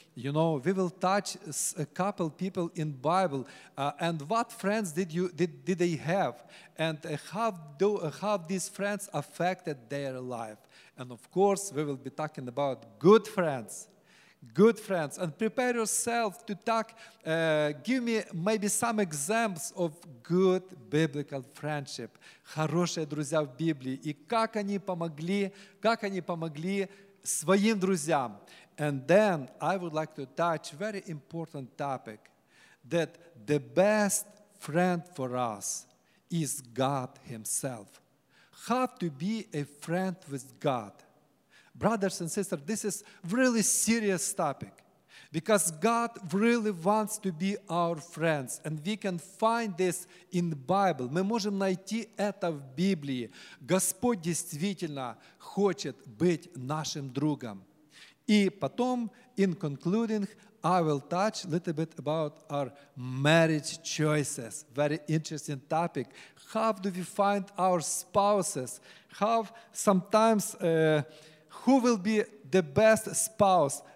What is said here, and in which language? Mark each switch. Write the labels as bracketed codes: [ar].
[en] You know, we will touch a couple people in Bible, and what friends did they have, and how these friends affected their life. And of course, we will be talking about good friends. Good friends, and prepare yourself to talk. Give me maybe some examples of good biblical friendship. [ru] Хорошие друзья в Библии и как они помогли своим друзьям. [en] And then I would like to touch very important topic that the best friend for us is God Himself. How to be a friend with God. Brothers and sisters, this is really serious topic because God really wants to be our friends, and we can find this in the Bible. [ru] Мы можем найти это в Библии. Господь действительно хочет быть нашим другом. И потом, [en] in concluding, I will touch a little bit about our marriage choices. Very interesting topic. How do we find our spouses? How sometimes... Who will be the best spouse?